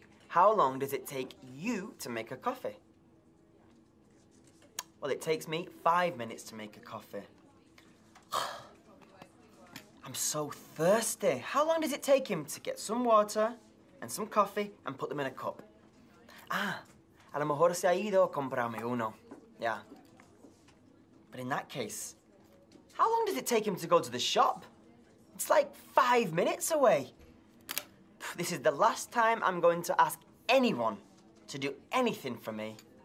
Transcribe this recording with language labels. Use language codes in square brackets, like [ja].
[en] How long does it take you to make a coffee? Well, it takes me 5 minutes to make a coffee. I'm so thirsty. How long does it take him to get some water and some coffee and put them in a cup? [es] Ah, a lo mejor se ha ido a comprarme uno. [en] Yeah. But in that case, how long does it take him to go to the shop? It's like 5 minutes away. This is the last time I'm going to ask anyone to do anything for me.